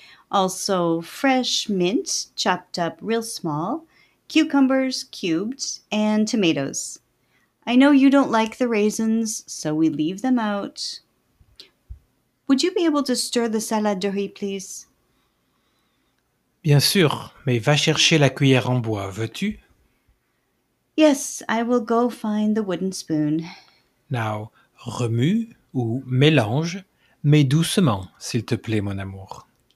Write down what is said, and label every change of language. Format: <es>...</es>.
<en>Also, fresh mint, chopped up real small, cucumbers, cubed, and tomatoes. I know you don't like the raisins, so we leave them out. Would you be able to stir the salade de riz, please?</en> <fr>Bien sûr, mais va chercher la cuillère en bois, veux-tu?</fr> <en>Yes, I will go find the wooden spoon.</en> <fr>Now, remue ou mélange, mais doucement, s'il te plaît, mon amour.</fr>